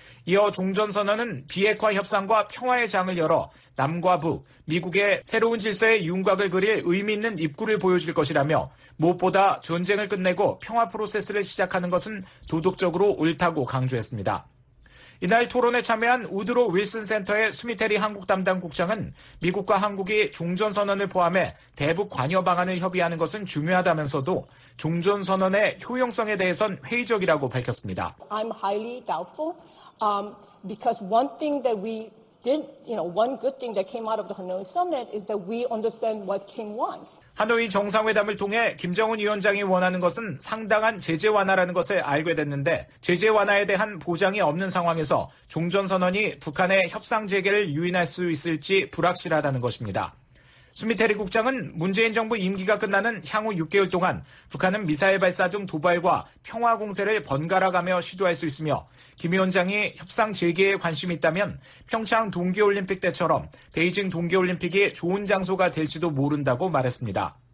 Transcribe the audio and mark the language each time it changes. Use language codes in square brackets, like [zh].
[ko] 이어 종전선언은 비핵화 협상과 평화의 장을 열어 남과 북, 미국의 새로운 질서의 윤곽을 그릴 의미 있는 입구를 보여줄 것이라며 무엇보다 전쟁을 끝내고 평화 프로세스를 시작하는 것은 도덕적으로 옳다고 강조했습니다. 이날 토론에 참여한 우드로 윌슨 센터의 수미테리 한국 담당 국장은 미국과 한국이 종전선언을 포함해 대북 관여 방안을 협의하는 것은 중요하다면서도 종전선언의 효용성에 대해선 회의적이라고 밝혔습니다. [en] I'm highly doubtful because one thing that we did, you know, one good thing that came out of the Hanoi summit is that we understand what Kim wants. [ko] 하노이 정상회담을 통해 김정은 위원장이 원하는 것은 상당한 제재 완화라는 것을 알게 됐는데 제재 완화에 대한 보장이 없는 상황에서 종전선언이 북한의 협상 재개를 유인할 수 있을지 불확실하다는 것입니다. 수미테리 국장은 문재인 정부 임기가 끝나는 향후 6개월 동안 북한은 미사일 발사 등 도발과 평화 공세를 번갈아가며 시도할 수 있으며 김 위원장이 협상 재개에 관심이 있다면 평창 동계올림픽 때처럼 베이징 동계올림픽이 좋은 장소가 될지도 모른다고 말했습니다.